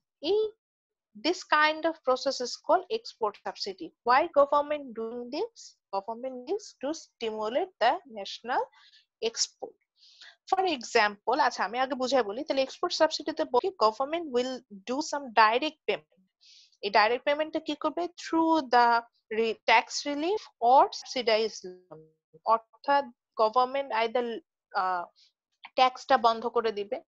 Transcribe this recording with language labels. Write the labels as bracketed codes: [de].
[en] এই this kind of process is call export subsidy. Why government doing this? Government needs to stimulate the national export. For example, [bn] আচ্ছা আমি আগে বুঝাই বলি, তাহলে এক্সপোর্ট সাবসিডিতে বলি [en] Government will do some direct payment. [bn] এই ডাইরেক্ট পেমেন্টটা কি করবে? [en] through the tax relief or subsidise loan, [bn] অর্থাৎ গভর্নমেন্ট আইদার ট্যাক্সটা বন্ধ করে দিবে।